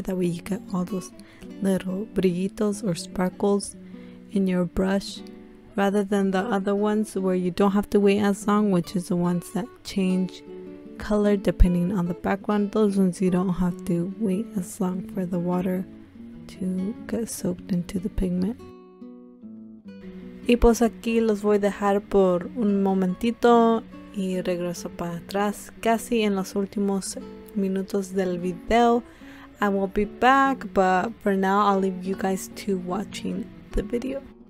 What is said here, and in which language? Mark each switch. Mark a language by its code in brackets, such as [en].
[en] That way you get all those little brillitos or sparkles in your brush, rather than the other ones where you don't have to wait as long, which is the ones that change color depending on the background. Those ones you don't have to wait as long for the water to get soaked into the pigment. [es] Y pues aquí los voy a dejar por un momentito y regreso para atrás casi en los últimos minutos del video. [en] I will be back, but for now I'll leave you guys to watching the video.